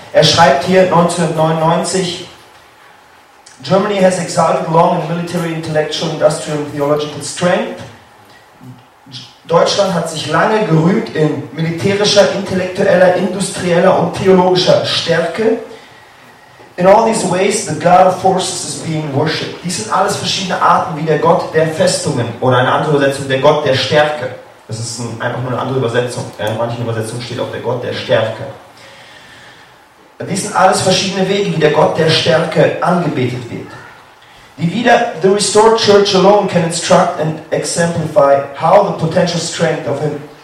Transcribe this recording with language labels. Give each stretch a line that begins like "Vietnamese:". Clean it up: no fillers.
German: Er schreibt hier 1999:
English: Germany has exalted long in military, intellectual, industrial and theological strength.
German: Deutschland hat sich lange gerühmt in militärischer, intellektueller, industrieller und theologischer Stärke.
English: In all these ways, the God of forces is being worshipped.
German: Dies sind alles verschiedene Arten wie der Gott der Festungen oder eine andere Übersetzung, der Gott der Stärke. Das ist einfach nur eine andere Übersetzung. In manchen Übersetzungen steht auch der Gott der Stärke. Dies sind alles verschiedene Wege, wie der Gott der Stärke angebetet wird.
English: The restored church alone can instruct and exemplify how the potential strength of him.